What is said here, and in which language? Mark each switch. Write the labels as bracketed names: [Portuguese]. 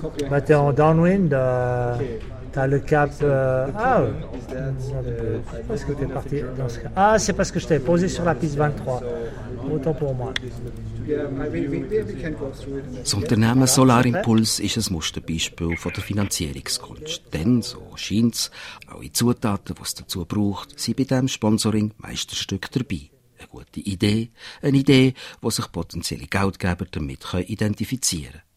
[English] But they're on downwind, [French] t'as le cap. Parce que t'es parti dans ce cas. Ah, c'est parce que je t'avais posé sur la piste 23. Autant pour moi. [German] Das Unternehmen Solarimpuls ist ein Musterbeispiel von der Finanzierungskunst. Denn, so scheint es, alle Zutaten, die es dazu braucht, sind bei diesem Sponsoring Meisterstück dabei. Eine gute Idee, die sich potenzielle Geldgeber damit identifizieren können.